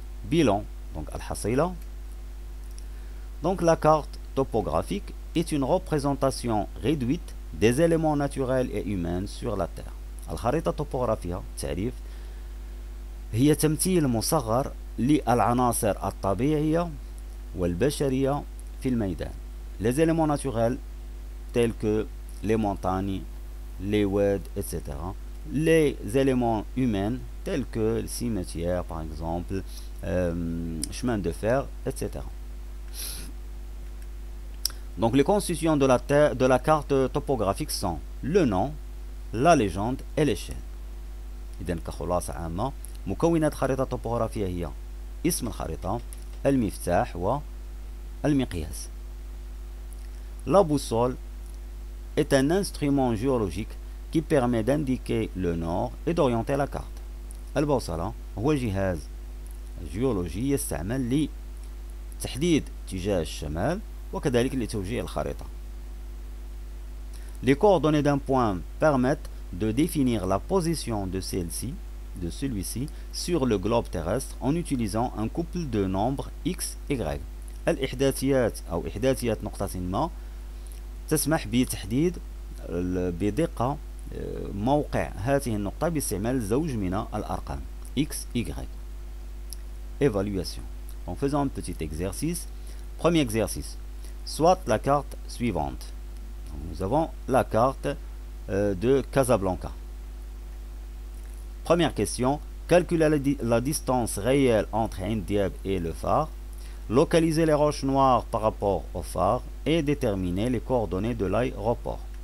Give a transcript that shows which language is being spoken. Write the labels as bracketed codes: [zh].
[fr] بيلون donc الحصيلة. Donc la carte topographique est une représentation réduite des éléments naturels et humains sur la Terre. [ar] الخريطة الطبوغرافية تعريف هي تمثيل مصغر للعناصر الطبيعية والبشرية في الميدان. [fr] Les éléments naturels tels que les montagnes, les wads, etc. Les éléments humains tels que le cimetière, par exemple, chemin de fer, etc. Donc les constituants de la terre, de la carte topographique sont le nom, la légende et l'échelle. [ar] إذن كخلاصة عامة مكونات خريطة طبوغرافية هي اسم الخريطة، المفتاح والمقياس. [fr] La boussole est un instrument géologique qui permet d'indiquer le nord et d'orienter la carte. [ar] البوصلة هو جهاز جيولوجي يستعمل لتحديد اتجاه الشمال وكذلك لتوجيه الخريطة. [fr] Les coordonnées d'un point permettent de définir la position de celle-ci, de celui-ci, sur le globe terrestre en utilisant un couple de nombres x, y. [ar] الإحداثيات أو إحداثيات نقطة ما تسمح بتحديد بدقة موقع هذه النقطة باستعمال زوج من الأرقام X, Y. [fr] Évaluation. En faisant un petit exercice, premier exercice, soit la carte suivante. Donc nous avons la carte de Casablanca. Première question, calculer la distance réelle entre Ain Diab et le phare, localiser les roches noires par rapport au phare et déterminer les coordonnées de l'aéroport.